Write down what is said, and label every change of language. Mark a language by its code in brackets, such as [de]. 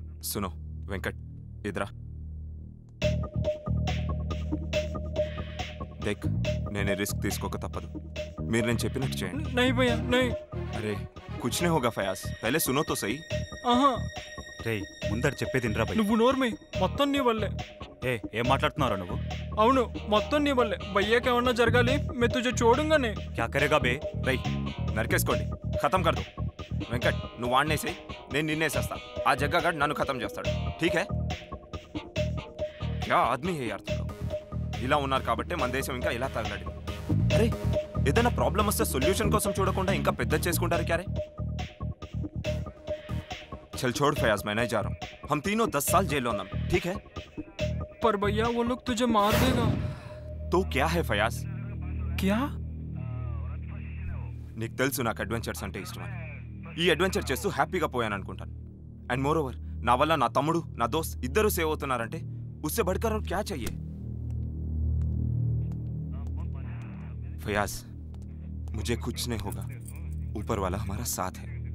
[hi] सुनो वेंकट, इधर आ. [te] देख, नेने रिस्क తీసుకోక తప్పదు. మీరు నేను చెప్పినట్టు చేయండి. [hi] नहीं भैया नहीं. अरे कुछ नहीं होगा फयाज, पहले सुनो तो सही. हाँ [te] रे, ముందర చెప్పేదిరా భయ్. నువ్వు నోర్మే, మొత్తం నీ వల్లే. ఏ ఏ మాట్లాడుతున్నారు నువ్వు? అవును మొత్తం నీ వల్లే భయ్యకి ఏమన్నా జరగాలి. [hi] మే తుజే చూడంగనే క్యా కరేగా బే. [te] రేయ్ నరికేసుకోండి, [hi] ఖతం కర్ దో. [te] వెంకట్ నువ్వు వాడినేసే, నేను నిన్నేసేస్తా. ఆ జగ్గా గడ్ నన్ను ఖతం చేస్తాడు. [hi] ఠీక్ హే. క్యా ఆద్మీ హే యార్ తో. [te] ఇలా ఉన్నారు కాబట్టి మన దేశం ఇంకా ఇలా తగ్గడి. అరే ఏదైనా ప్రాబ్లం వస్తే సొల్యూషన్ కోసం చూడకుండా ఇంకా పెద్ద చేసుకుంటారు క్యారే. [hi] चल छोड़ फयाज, मैं नहीं जा रहा हूँ. हम तीनों 10 साल जेल में, ठीक है? पर भैया वो लोग तुझे मार देगा. तो क्या है फयाज? क्या? [te] నీకు తెలుసు నాకు అడ్వెంచర్స్ అంటే ఇష్టం. ఈ అడ్వెంచర్ చేస్తూ హ్యాపీగా పోయాను అనుకుంటాను. [en] and moreover [te] నా వల్ల నా తమ్ముడు నా దోస్త్ ఇద్దరు సేవ్ అవుతున్నారంటే [hi] ఉస్సే బడకర్ ఔర్ క్యా చాయే. फयाज मुझे कुछ नहीं होगा, ऊपर वाला हमारा साथ है.